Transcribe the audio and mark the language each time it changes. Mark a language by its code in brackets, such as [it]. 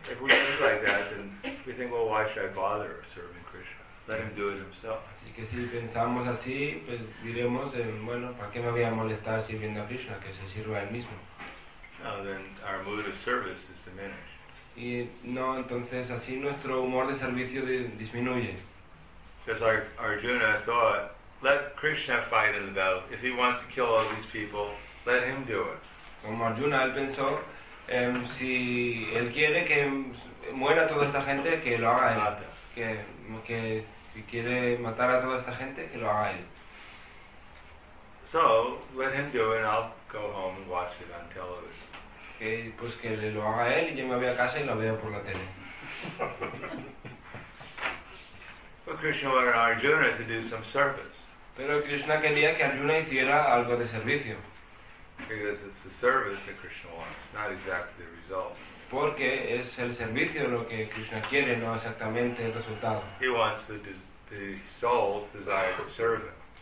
[en] If we think like that, then we think, well, why should I bother serving Krishna? Let him do it himself. [es] Así que si pensamos así, pues diremos, bueno, ¿para qué me voy a molestar sirviendo a Krishna? Que se sirva él mismo. [en] No, then our mood of service is diminished. [es] Y no, entonces así nuestro humor de servicio disminuye. [en] Just like Arjuna thought, let Krishna fight in the battle. If he wants to kill all these people, let him do it. [es] Como Arjuna, él pensó, si él quiere que muera toda esta gente, que lo haga él. Que si quiere matar a toda esta gente, que lo haga él. [en] So, let him do it and I'll go home and watch it on television. [es] Que, pues que lo haga él y yo me voy a casa y lo veo por la tele. [en] But Krishna wanted Arjuna to do some service. [es] Pero Krishna quería que Arjuna hiciera algo de servicio. [en] Because it's the service that Krishna wants, not exactly the result. [es] Porque es el servicio lo que Krishna quiere, no exactamente el resultado. [en] He wants the soul's desire to serve him.